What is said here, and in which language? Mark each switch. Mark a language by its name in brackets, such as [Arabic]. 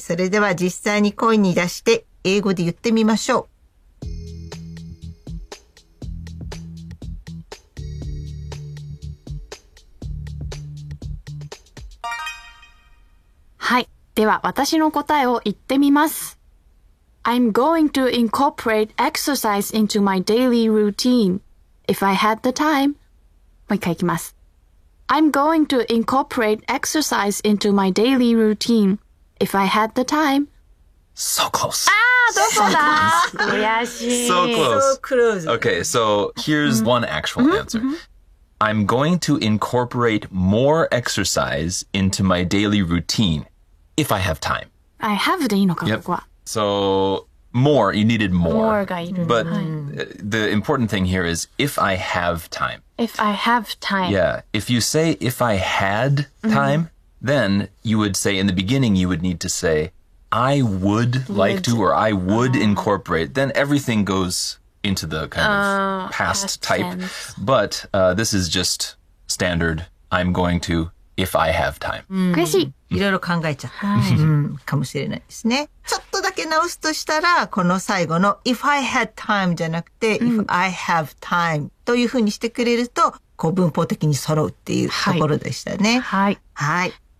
[Japanese] それでは実際に声に出して英語で言ってみましょう。はい。では、私の答えを言ってみます。 [English] I'm going to incorporate exercise into my daily routine if I had the time. [Japanese] もう一回いきます。 [English] I'm going to incorporate exercise into my daily routine if I had the time. So close. [Japanese] ああ、どこだ悔しい。 [English] So close. So close. Okay, so here's one actual answer. I'm going to incorporate more exercise into my daily routine. If I have time. I have [Japanese] でいいのか、ここは。 [English] So, more, you needed more. More [Japanese] がいる。 [English] But、the important thing here is, if I have time. If I have time. Yeah. If you say, if I had time,、then you would say, in the beginning, you would need to say, I would like to, or I would、incorporate. Then everything goes into the kind of past type.、sense. But、this is just standard, I'm going to... If I have time. [Japanese] 悔しい。いろいろ考えちゃった、かもしれないですね。ちょっとだけ直すとしたら、この最後の [English] If I had time [Japanese] じゃなくて、 [English] If I have time [Japanese] というふうにしてくれると、こう文法的に揃うっていうところでしたね。はい。はい。